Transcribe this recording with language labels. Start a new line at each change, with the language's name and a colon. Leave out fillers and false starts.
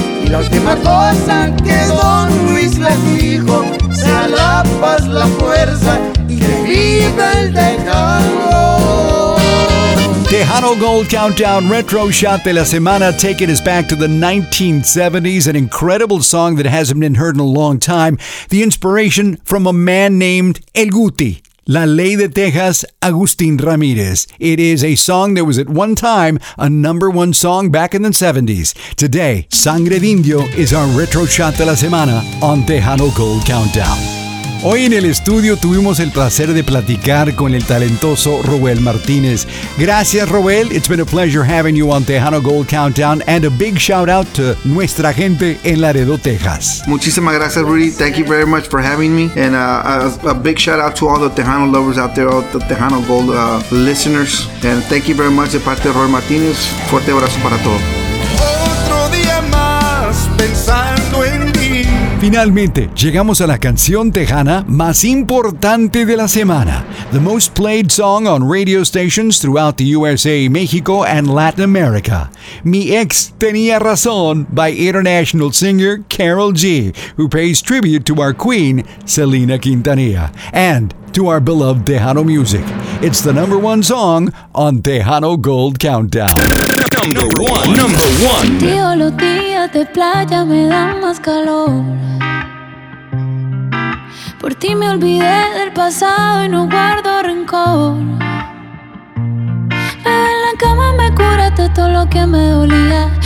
Spanish: La última cosa que Don Luis les dijo: sea la paz, la fuerza y que viva el Tejano.
English: Tejano Gold Countdown Retro Shot de la Semana, taking us back to the 1970s, an incredible song that hasn't been heard in a long time. The inspiration from a man named El Guti, La Ley de Texas, Agustín Ramírez. It is a song that was at one time a number one song back in the 70s. Today, Sangre de Indio is our Retro Shot de la Semana on Tejano Gold Countdown.
Spanish: Hoy en el estudio tuvimos el placer de platicar con el talentoso Roel Martínez. Gracias, Roel.
English: It's been a pleasure having you on Tejano Gold Countdown, and a big shout out to
Spanish: nuestra gente en
English: Laredo, Texas.
Spanish: Muchísimas gracias, Rudy.
English: Thank you very much for having me. And a big shout out to all the Tejano lovers out there, all the Tejano Gold listeners. And thank you very much
Spanish: de parte de Roel Martínez. Fuerte abrazo para todos. Otro día más, pensando en ti. Finalmente, llegamos a la canción tejana más importante de la semana.
English: The most played song on radio stations throughout the USA, Mexico, and Latin America. Mi Ex Tenía Razón by international singer Carol G, who pays tribute to our queen, Selena Quintanilla, and to our beloved Tejano music. It's the number one song on Tejano Gold Countdown. Number one.
Spanish: Tío, los días de playa me dan más calor. Por ti me olvidé del pasado y no guardo rencor. Bebé, en la cama me curaste todo lo que me dolía.